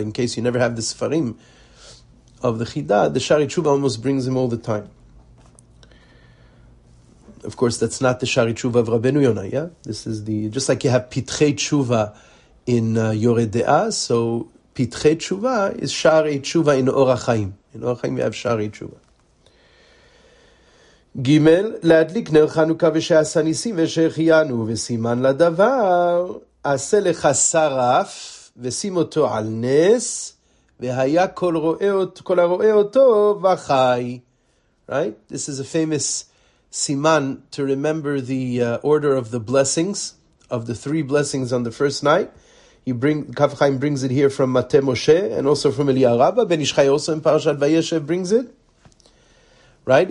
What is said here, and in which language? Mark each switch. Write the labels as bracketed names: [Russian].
[English] In case you never have the Sefarim of the Chida, the Shari Tshuva almost brings him all the time. Of course, that's not the Shari Tshuva of Rabbeinu Yonah, yeah? This is the, just like you have Pitchei Tshuva in Yore De'a, so Pitchei Tshuva is Shari Tshuva in Or HaChaim. In Or HaChaim we have Shari Tshuva. [Hebrew] Gimel, להדליק נר חנוכה ושעשה ניסים ושהחיינו, וסימן לדבר, עשה לך שרף, ושים אותו על נס, והיה כל רואה אותו, כל הרואה אותו וחי. [English] Right? This is a famous siman to remember the order of the blessings, of the three blessings on the first night. Kaf Chaim brings it here from Mateh Moshe and also from Eliyahu Rabba. Ben Ishchai also in Parashat Vayeshev brings it. Right?